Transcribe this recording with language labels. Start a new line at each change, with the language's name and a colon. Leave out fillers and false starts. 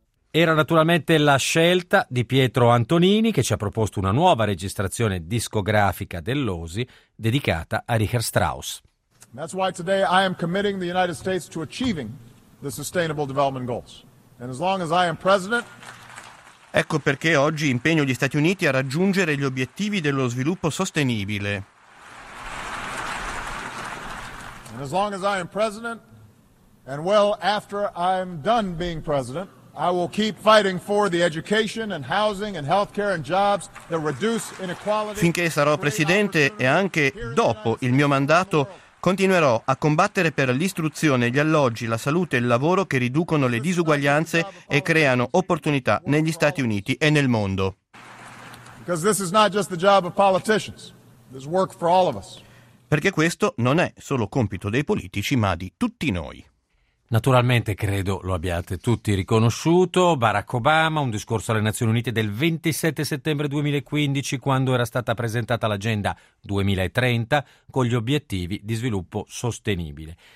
Italian: era naturalmente la scelta di Pietro Antonini, che ci ha proposto una nuova registrazione discografica dell'OSI dedicata a Richard Strauss.
English: That's why today I am committing the United States to achieving the Sustainable Development Goals. And as long as I am president.
Italian: Ecco perché oggi impegno gli Stati Uniti a raggiungere gli obiettivi dello sviluppo sostenibile.
English: And as long as I am president, and well after I'm done being president, I will keep fighting for the education and housing and healthcare and jobs that reduce inequality.
Italian: Finché sarò presidente e anche dopo il mio mandato, continuerò a combattere per l'istruzione, gli alloggi, la salute e il lavoro che riducono le disuguaglianze e creano opportunità negli Stati Uniti e nel mondo.
English: Because this is not just the job of politicians. This work for all of us.
Italian: Perché questo non è solo compito dei politici, ma di tutti noi. Naturalmente, credo lo abbiate tutti riconosciuto, Barack Obama, un discorso alle Nazioni Unite del 27 settembre 2015, quando era stata presentata l'Agenda 2030 con gli obiettivi di sviluppo sostenibile.